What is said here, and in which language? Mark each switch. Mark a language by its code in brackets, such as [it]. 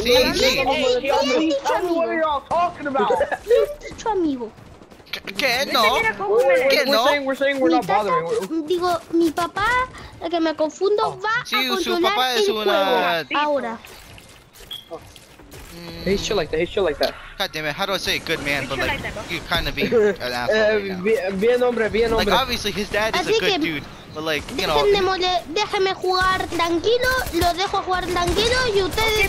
[es] Sí, sí. ¿Qué has dicho, amigo? ¿Qué no? Digo, mi papá, el que me confundo, va a controlar el juego ahora. [en] He's chill like that. God damn it, how do I say good man, but like, you're kind of being an asshole. [es] Bien hombre. [en] Like, obviously his dad is [es] así [en] a good dude, but like, you know. [es] Déjenme jugar tranquilo, lo dejo jugar tranquilo, y ustedes